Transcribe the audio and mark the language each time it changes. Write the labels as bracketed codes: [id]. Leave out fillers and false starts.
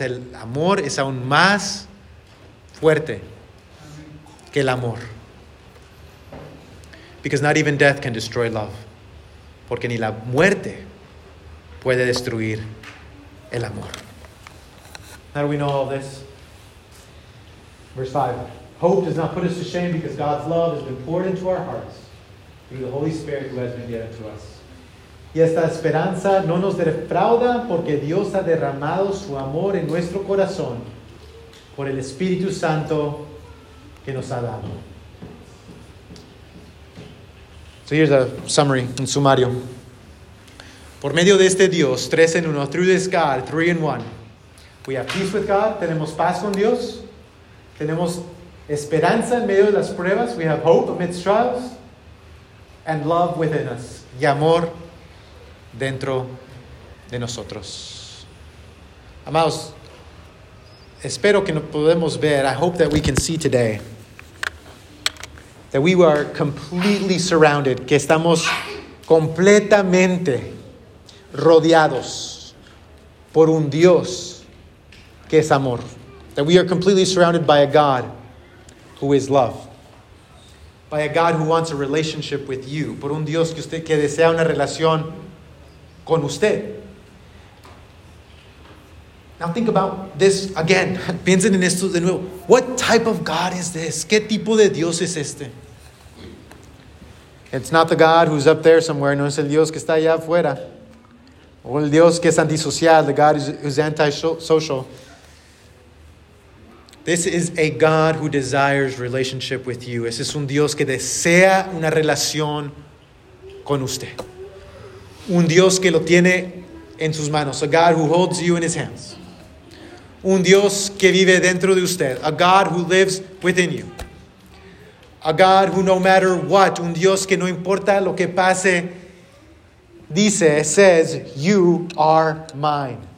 [es] El amor es aún más fuerte que el amor. [en] Because not even death can destroy love. [es] Porque ni la muerte puede destruir el amor. [en] Now we know all this. Verse 5. Hope does not put us to shame because God's love has been poured into our hearts through the Holy Spirit who has been given to us. [es] Y esta esperanza no nos defrauda porque Dios ha derramado su amor en nuestro corazón por el Espíritu Santo que nos ha dado. [en] So here's a summary, [es] un sumario. Por medio de este Dios, tres en uno, [en] through this God, three in one. We have peace with God, [es] tenemos paz con Dios, tenemos esperanza en medio de las pruebas, [en] we have hope amidst trials, and love within us. [es] Y amor dentro de nosotros. Amados, espero que nos podemos ver, [en] I hope that we can see today, [es] that we are completely surrounded, que estamos completamente rodeados por un Dios que es amor. [en] That we are completely surrounded by a God who is love. By a God who wants a relationship with you. [es] Por un Dios que usted que desea una relación con usted. [en] Now think about this again. [es] Piensen en esto de nuevo. [en] What type of God is this? [es] ¿Qué tipo de Dios es este? [en] It's not the God who's up there somewhere. [es] No es el Dios que está allá afuera. O el Dios que es antisocial. [en] The God who's antisocial. This is a God who desires relationship with you. [es] Ese es un Dios que desea una relación con usted. Un Dios que lo tiene en sus manos. [en] A God who holds you in his hands. [es] Un Dios que vive dentro de usted. [en] A God who lives within you. A God who no matter what, [es] un Dios que no importa lo que pase, dice, [en] says, you are mine.